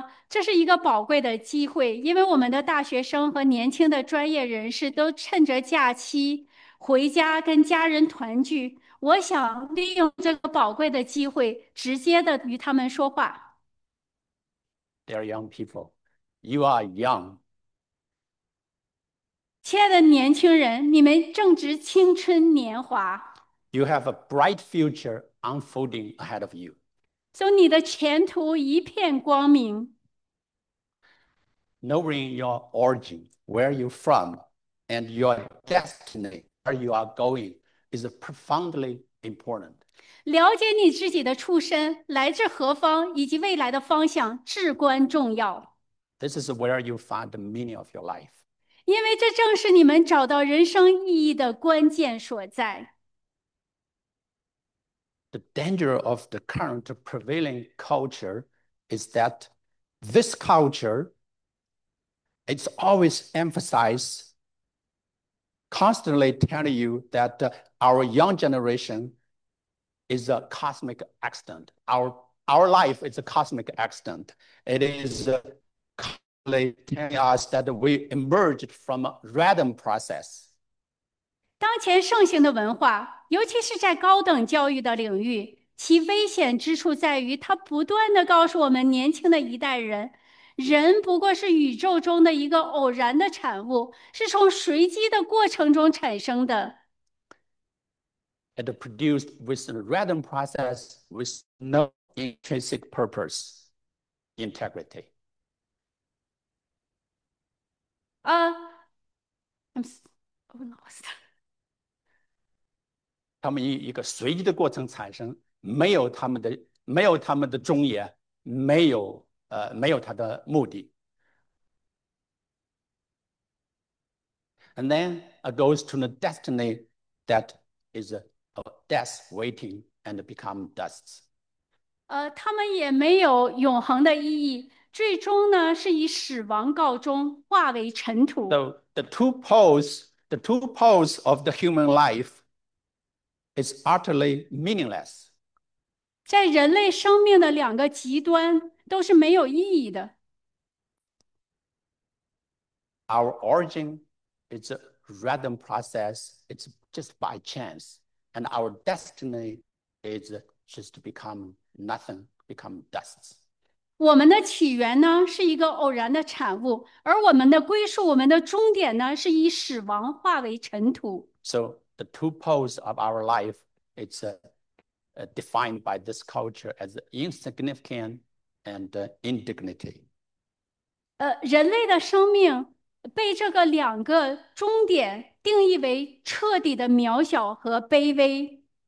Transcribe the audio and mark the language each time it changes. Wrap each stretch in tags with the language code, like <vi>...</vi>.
<zh>这是一个宝贵的机会，因为我们的大学生和年轻的专业人士都趁着假期回家跟家人团聚。我想利用这个宝贵的机会，直接的与他们说话。</zh> <en>They are young people. You are young.</en> <zh>亲爱的年轻人，你们正值青春年华，</zh> <en>You have a bright future unfolding ahead of you.</en> <zh>所以你的前途一片光明。</zh> <en>Knowing your origin, where you're from, and your destiny, where you are going, is profoundly important.</en> <zh>了解你自己的出身、来自何方以及未来的方向至关重要。</zh> <en>This is where you find the meaning of your life.</en> <zh>因为这正是你们找到人生意义的关键所在。</zh> <en>The danger of the current prevailing culture is that this culture, it's always emphasized, constantly telling you that our young generation is a cosmic accident. Our life is a cosmic accident. It is constantly telling us that we emerged from a random process.</en> <zh>当前盛行的文化，尤其是在高等教育的领域，其危险之处在于，它不断地告诉我们年轻的一代人，人不过是宇宙中的一个偶然的产物，是从随机的过程中产生的。</zh> <en>And produced with a random process with no intrinsic purpose, integrity. I'm lost.</en> <zh>他们以一个随机的过程产生，没有他们的终点，没有他的目的。</zh> <en>And then it goes to the destiny that is a death waiting and become dust.</en> <zh>他们也没有永恒的意义，最终呢，是以死亡告终，化为尘土。</zh> <en>So the two poles of the human life is utterly meaningless.</en> <zh>在人类生命的两个极端都是没有意义的。</zh> <en>Our origin is a random process. It's just by chance. And our destiny is just to become nothing, become dust.</en> <zh>我们的起源呢，是一个偶然的产物，而我们的归宿，我们的终点呢，是以死亡化为尘土。</zh> <en>So the two poles of our life, it's defined by this culture as insignificant and indignity.</en> <zh>人类的生命被这个两个终点定义为彻底的渺小和卑微。</zh>